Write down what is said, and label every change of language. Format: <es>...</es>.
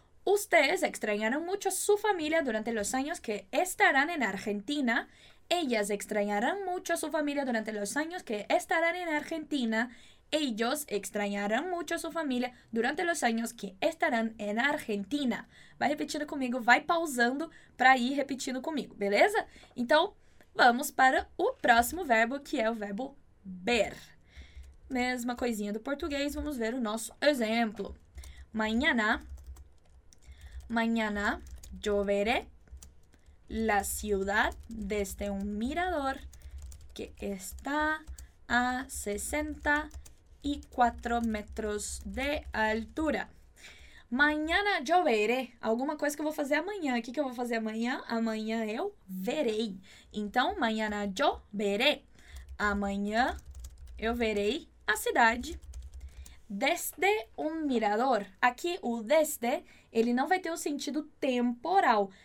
<es>Ustedes extrañarán mucho a su familia durante los años que estarán en Argentina. Ellas extrañarán mucho a su familia durante los años que estarán en Argentina. Ellos extrañarán mucho a su familia durante los años que estarán en Argentina.</es> <pt>Vai repetindo comigo, vai pausando para ir repetindo comigo, beleza? Então, vamos para o próximo verbo, que é o verbo ver. Mesma coisinha do português, vamos ver o nosso exemplo.</pt> <es>Mañana. Mañana yo veré la ciudad desde un mirador que está a 64 metros de altura. Mañana yo veré.</es> <pt>Alguma coisa que eu vou fazer amanhã. O que eu vou fazer amanhã? Amanhã eu verei. Então,</pt> <es>mañana yo veré.</es> <pt>Amanhã eu verei a cidade.</pt> <es>Desde un mirador.</es> <pt>Aqui, o desde, ele não vai ter o sentido temporal.</pt>